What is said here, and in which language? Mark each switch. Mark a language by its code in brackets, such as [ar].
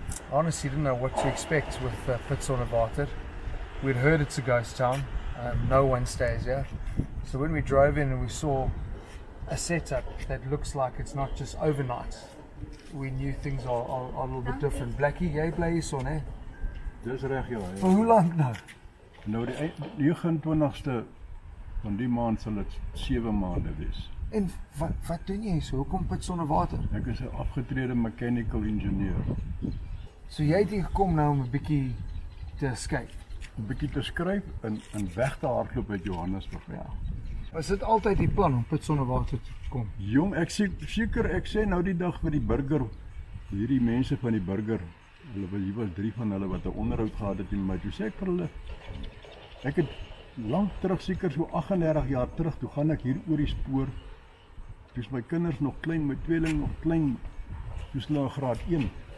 [en] honestly didn't know what to expect with Putsonderwater. We'd heard it's a ghost town, no one stays here. So when we drove in and we saw a setup that looks like it's not just overnight, we knew things are a little bit different. Blackie, yay, blay, you saw, ne? [af] Dis reg, ja. [en] For how long now? [af] Nou, die 29ste van die maand sal het 7 maanden wees. En wat doen jy? So, hoe kom Putsonderwater? Ek is 'n afgetrede mechanical engineer. So jy het hier gekom nou om 'n bietjie te skryf? Een bietjie te skryf en weg te hardloop uit Johannesburg. Ja. Was dit altyd die plan om Putsonderwater te kom? Jong, ek sê seker, ek sê nou die dag vir die burger, hierdie mense van die burger, hulle was, hier was drie van hulle wat 'n onderhoud gehad het in my, toe sê ek vir hulle, ek het lang terug, seker so 38 jaar terug, toe gaan ek hier oor die spoor, toe is my kinders nog klein, my tweeling nog klein, toe is hulle graad 1.